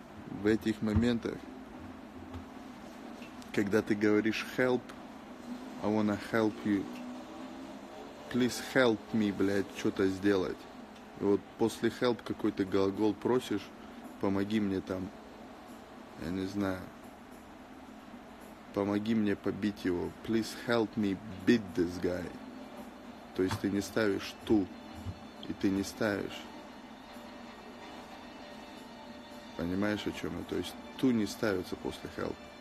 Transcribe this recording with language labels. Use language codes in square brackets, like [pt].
[ru] В этих моментах, когда ты говоришь [en] help, I wanna help you, please help me, [ru] блядь, что-то сделать. И вот после help какой-то глагол просишь, помоги мне там, я не знаю. Помоги мне побить его. [en] Please help me beat this guy. [ru] То есть ты не ставишь to. И ты не ставишь. Понимаешь, о чем я? То есть to не ставится после help.